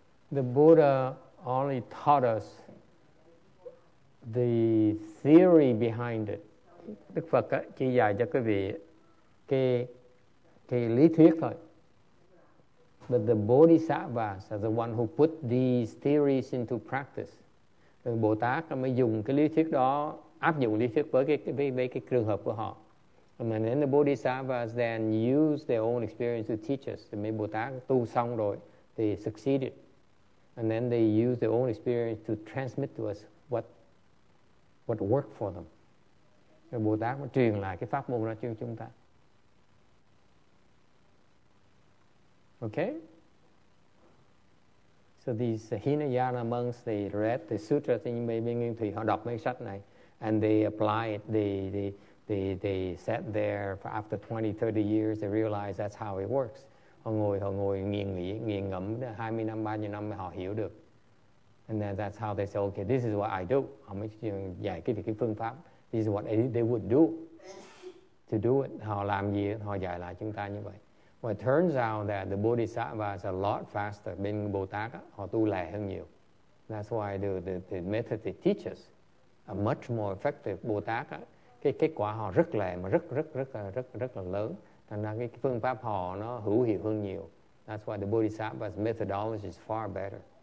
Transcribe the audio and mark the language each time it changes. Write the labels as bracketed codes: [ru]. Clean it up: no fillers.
[en] The Buddha only taught us the theory behind it. [vi] Đức Phật chỉ dạy cho quý vị cái lý thuyết thôi. [en] But the bodhisattvas are the one who put these theories into practice. [vi] The Bồ Tát mới dùng cái lý thuyết đó áp dụng lý thuyết với cái trường hợp của họ. [en] And then the bodhisattvas then use their own experience to teach us. The [vi] Bồ Tát tu xong rồi, [en] they succeeded. And then they use their own experience to transmit to us what worked for them. [vi] The Bồ Tát mới truyền lại cái pháp môn ra cho chúng ta. [en] Okay? So these Hinayana monks, they read the sutras in [vi] Mê Biên Nguyên Thủy, họ đọc mấy sách này, [en] and they apply it. They sat there for after 20, 30 years, they realize that's how it works. [vi] Họ ngồi nghiền ngẫm 20 năm, 30 năm, họ hiểu được. [en] And then that's how they say, okay, this is what I do. [vi] Họ mới giải cái phương pháp. [en] This is what they would do. To do it, [vi] họ làm gì, họ giải lại chúng ta như vậy. [en] Well, it turns out that the Bodhisattva is a lot faster. [vi] Bên Bồ Tát, họ tu lẹ hơn nhiều. [en] That's why the method they teach us are much more effective. [vi] Bồ Tát, cái kết quả họ rất lẹ, mà rất là lớn. Thành ra cái phương pháp họ nó hữu hiệu hơn nhiều. [en] That's why the Bodhisattva's methodology is far better.